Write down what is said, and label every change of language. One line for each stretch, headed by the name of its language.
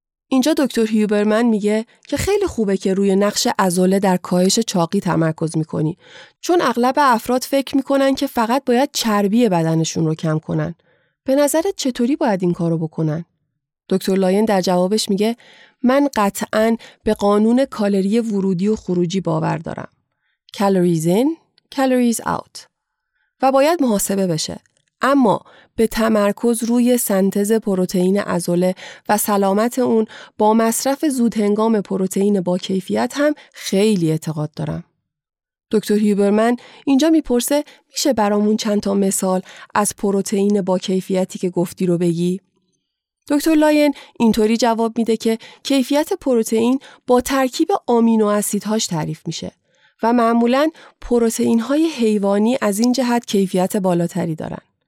Persian: اینجا دکتر هیوبرمن میگه که خیلی خوبه که روی نقش عضله در کاهش چاقی تمرکز میکنی، چون اغلب افراد فکر میکنن که فقط باید چربی بدنشون رو کم کنن. به نظرت چطوری باید این کارو بکنن؟ دکتر لاین در جوابش میگه من قطعاً به قانون کالری ورودی و خروجی باور دارم.
English: calories in, calories out.
Persian: و باید محاسبه بشه. اما به تمرکز روی سنتز پروتئین عضله و سلامت اون با مصرف زودهنگام پروتئین با کیفیت هم خیلی اعتقاد دارم. دکتر هیوبرمن اینجا میپرسه میشه برامون چند تا مثال از پروتئین با کیفیتی که گفتی رو بگی؟ دکتر لاین اینطوری جواب میده که کیفیت پروتئین با ترکیب آمینو اسیدهاش تعریف میشه و معمولاً پروتئین‌های حیوانی از این جهت کیفیت بالاتری دارن.